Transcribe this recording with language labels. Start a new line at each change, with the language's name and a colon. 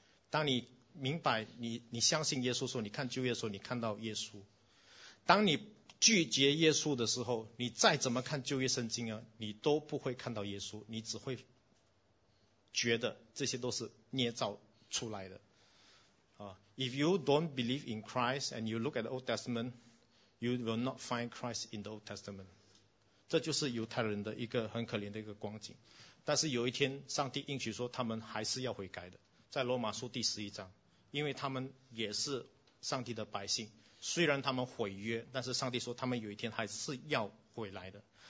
Chinese: 当你明白你相信耶稣的时候，你看旧约的时候，你看到耶稣。当你拒绝耶稣的时候，你再怎么看旧约圣经啊，你都不会看到耶稣，你只会觉得这些都是捏造出来的。
English: If you don't believe in Christ and you look at the Old Testament, you will not find Christ in the Old Testament。
Chinese: 这就是犹太人的一个很可怜的一个光景。但是有一天上帝应许说他们还是要悔改的，在罗马书第十一章，因为他们也是上帝的百姓，虽然他们毁约，但是上帝说他们有一天还是要回来的。